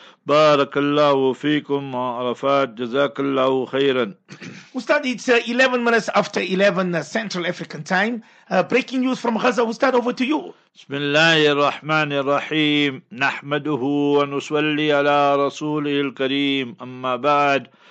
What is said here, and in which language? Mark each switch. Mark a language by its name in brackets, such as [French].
[Arabic] بارك الله فيكم عرفات جزاك الله خيرا. [English] Ustad, it's 11 minutes after 11 Central African time. Breaking news from Gaza. Ustad, over to you. [Arabic] بسم الله الرحمن الرحيم نحمده ونصلي على رسوله الكريم أما بعد.